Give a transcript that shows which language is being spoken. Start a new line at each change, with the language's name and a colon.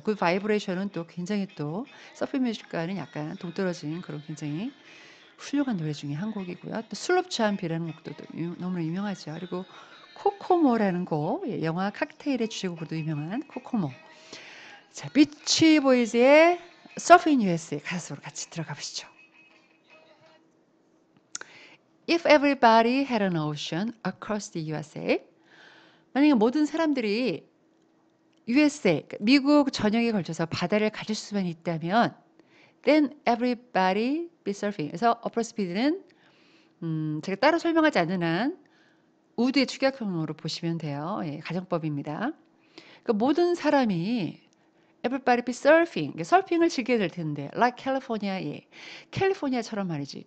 Korean: Good Vibration은 또 굉장히 또 서프 뮤직과는 약간 동떨어진 그런 굉장히 훌륭한 노래 중에 한 곡이고요. 또 슬롭치한비라는 곡도 너무나 유명하죠. 그리고 코코모라는 곡, 예, 영화 칵테일의 주제곡으로도 유명한 코코모. 자, 비치보이즈의 Surfing USA 가사로 같이 들어가 보시죠.
English: If everybody had an ocean across the USA,
Korean: 만약에 모든 사람들이 USA, 미국 전역에 걸쳐서 바다를 가질 수만 있다면
English: Then everybody be surfing.
Korean: 그래서 어프로스피드는 제가 따로 설명하지 않는 한 우드의 축약형으로 보시면 돼요. 예, 가정법입니다. 그러니까 모든 사람이
English: everybody be surfing.
Korean: 그러니까 서핑을 즐겨야 될 텐데
English: like California.
Korean: 예. 캘리포니아처럼 말이지.